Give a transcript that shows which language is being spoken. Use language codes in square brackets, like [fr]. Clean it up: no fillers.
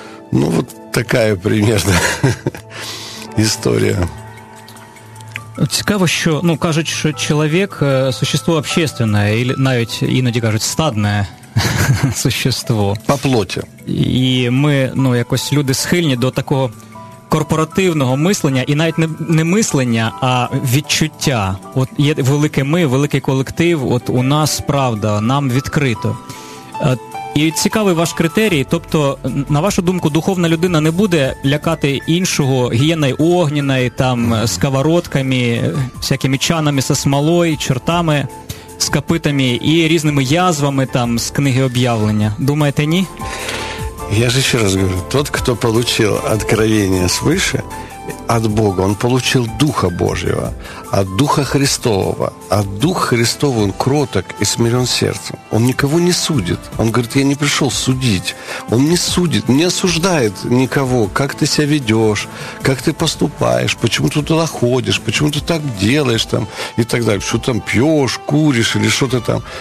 [ru] Ну, вот такая примерно история. [uk] Цікаво, що, ну, кажуть, що чоловік существо общественне, і навіть іноді кажуть стадне существо. По плоті. І ми, ну, якось люди схильні до такого корпоративного мислення, і навіть не мислення, а відчуття. От є велике ми, великий колектив, от у нас правда, нам відкрито. І цікавий ваш критерій, тобто, на вашу думку, духовна людина не буде лякати іншого гієною огненною, там, сковородками, всякими чанами со смолою, чортами, з копитами і різними язвами, там, з книги об'явлення. Думаєте, ні? Я ж ще раз говорю, [ru] тот, хто получив откровення свыше, от Бога, он получил Духа Божьего, от Духа Христового. А Дух Христовый, он кроток и смирен сердцем. Он никого не судит. Он говорит, я не пришел судить. Он не судит, не осуждает никого, как ты себя ведешь, как ты поступаешь, почему ты туда ходишь, почему ты так делаешь там, и так далее, что там пьешь, куришь или что-то там.